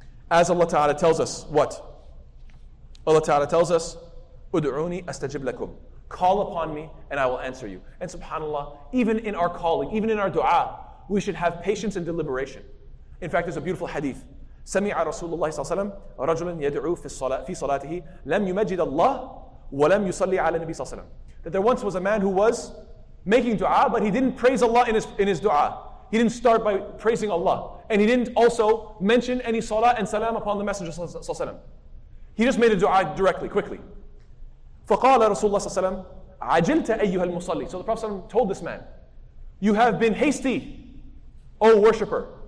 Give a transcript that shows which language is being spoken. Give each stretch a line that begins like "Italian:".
English: As Allah Ta'ala tells us, what? Allah Ta'ala tells us,
Arabic: Ud'uni astajib lakum.
English: Call upon me and I will answer you. And subhanAllah, even in our calling, even in our dua, we should have patience and deliberation. In fact, there's a beautiful hadith.
Arabic: سَمِعَ رَسُولُ اللَّهِ صَلَّى اللَّهِ عَلَيْهِ وَسَلَّمَ رَجُلًا يَدْعُو فِي صَلَاتِهِ لَمْ يُمَجِّدَ اللَّهِ وَلَمْ يُصَلِّ عَلَى النَّبِي صَلَّى اللَّهِ عَلَيْهِ وَسَلَّمَ.
English: That there once was a man who was making dua, but he didn't praise Allah in his dua. He didn't start by praising Allah. And he didn't also mention any salah and salam upon the Messenger صلى الله عليه وسلم. He just made a dua directly, quickly.
Arabic: فَقَالَ رَسُولُ اللَّهِ صَلَّى اللَّهِ عَلَيْهِ وَسَلَّمَ عَجِلْتَ أَيُّهَا الْمُصَلِّي.
English: So the Prophet told this man, you have been hasty, O worshipper.